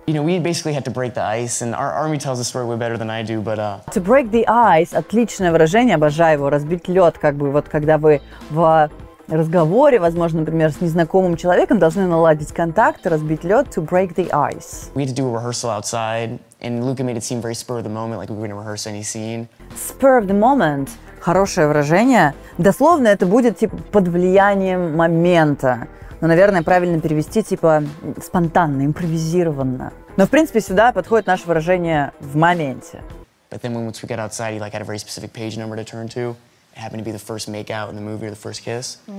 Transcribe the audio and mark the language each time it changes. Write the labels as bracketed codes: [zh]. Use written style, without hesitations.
[en] You know, we basically had to break the ice, and our army tells the story way better than I do, but To break the ice, [ru] отличное выражение, обожаю его, разбить лед, как бы вот когда вы в разговоре, возможно, например, с незнакомым человеком, должны наладить контакт, разбить лед, [en] to break the ice. We had to do a rehearsal outside, and Luca made it seem very spur of the moment, like we were going to rehearse any scene. Spur of the moment, [ru] хорошее выражение. Дословно это будет типа под влиянием момента. Ну, наверное, правильно перевести, типа, спонтанно, импровизированно. Но, в принципе, сюда подходит наше выражение «в моменте». [en] But then when once we got outside, he like had a very specific page number to turn to. It happened to be the first make-out in the movie, or the first kiss.